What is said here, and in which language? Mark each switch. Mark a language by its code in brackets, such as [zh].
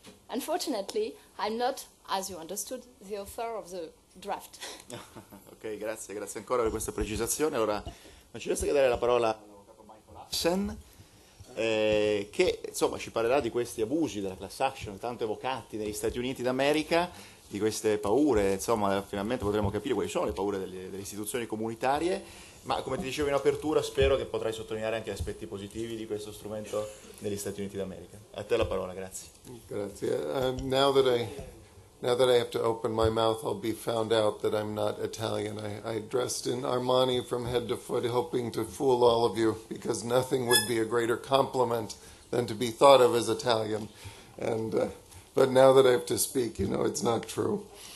[en] Unfortunately, I'm not, as you understood, the author of the draft. [it] Ok, grazie ancora per questa precisazione. Allora, non ci resta che dare la parola all'avvocato che insomma ci parlerà di questi abusi della class action tanto evocati negli Stati Uniti d'America, di queste paure, insomma finalmente potremo capire quali sono le paure delle istituzioni comunitarie, ma come ti dicevo in apertura spero che potrai sottolineare anche aspetti positivi di questo strumento negli Stati Uniti d'America. A te la parola, grazie. Grazie. [en] Now that I have to open my mouth, I'll be found out that I'm not Italian. I dressed in Armani from head to foot, hoping to fool all of you, because nothing would be a greater compliment than to be thought of as Italian. But now that I have to speak, you know it's not true.